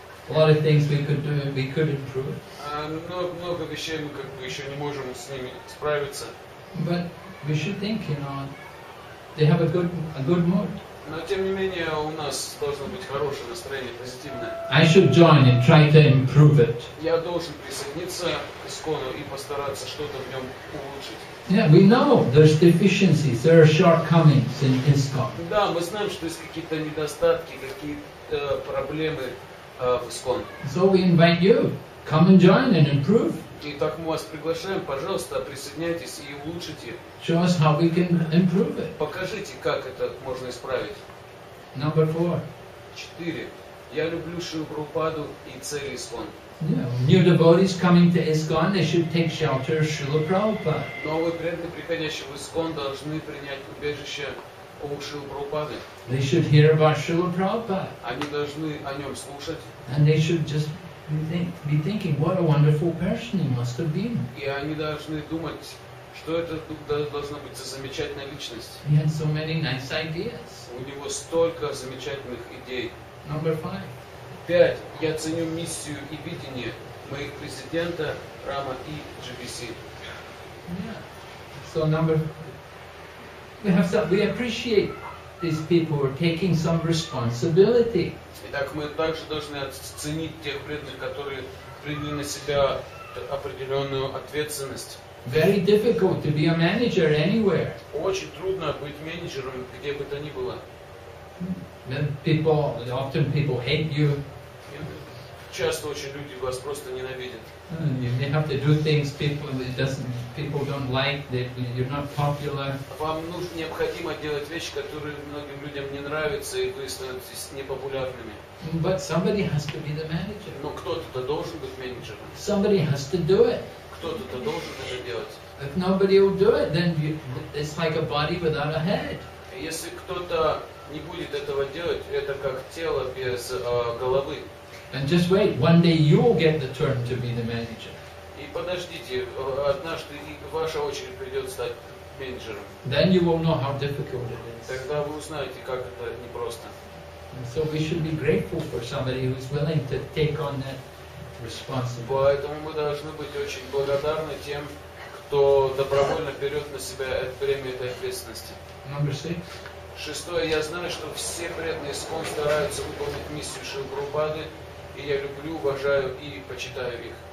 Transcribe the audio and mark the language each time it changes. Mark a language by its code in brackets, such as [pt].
[en] A lot of things we could do, we could improve. [ru] Много вещей мы как бы еще не можем с ними справиться. [en] But we should think, you know, they have a good mood. [ru] Но тем не менее у нас должно быть хорошее настроение, позитивное. [en] I should join and try to improve it. [ru] Я должен присоединиться к ИСККОНу и постараться что-то в нем улучшить. [en] Yeah, we know there's deficiencies, there are shortcomings in ISKCON. [ru] Да, мы знаем, что есть какие-то недостатки, какие-то проблемы в ИСККОН. [en] So we invite you, come and join and improve. [ru] И так мы вас приглашаем, пожалуйста, присоединяйтесь и улучшите. [en] Show us how we can improve it. [ru] Покажите, как это можно исправить. [en] Number four. [ru] Четыре. Я люблю Шрилу Прабхупаду и цели ИСККОН. [en] Yeah. New devotees coming to ISKCON, they should take shelter of Шрилу Прабхупады. [ru] Новые преданные, приходящие в ИСККОН, должны принять убежище у Шрилы Прабхупады. [en] They should hear about Шрилу Прабхупады. [ru] Они должны о нем слушать. [en] And they should just be thinking, what a wonderful person he must have been. [ru] И они должны думать, что это должна быть за замечательная личность. [en] He had so many nice ideas. [ru] У него столько замечательных идей. [en] Number five. [ru] Пять. Я ценю миссию и видение моих президента Рама и GBC. [en] Yeah. So number. We appreciate these people are taking some responsibility. [ru] Итак, мы также должны оценить тех преданных, которые приняли на себя определенную ответственность. [en] Very difficult to be a manager anywhere. [ru] Очень трудно быть менеджером где бы то ни было. [en] Often people hate you. [ru] Часто очень люди вас просто ненавидят. [en] You may have to do things people don't like, you're not popular. [ru] Вам необходимо делать вещи, которые многим людям не нравятся, и вы становитесь непопулярными. [en] But somebody has to be the manager. [ru] Но кто-то должен быть менеджером. [en] Somebody has to do it. [ru] Кто-то должен это делать. [en] If nobody will do it, then it's like a body without a head. [ru] Если кто-то не будет этого делать, это как тело без головы. [en] And just wait, one day you will get the turn to be the manager. [ru] И подождите, однажды ваша очередь придет стать менеджером. [en] Then you will know how difficult it is. [ru] Тогда вы узнаете, как это непросто. [en] And so we should be grateful for somebody who is willing to take on that responsibility. [ru] Поэтому мы должны быть очень благодарны тем, кто добровольно берет на себя это бремя этой ответственности. [en] Number six. [ru] Шестое. Я знаю, что все преданные ИСККОН стараются выполнить миссию Шрилы Прабхупады. И я люблю, уважаю и почитаю их.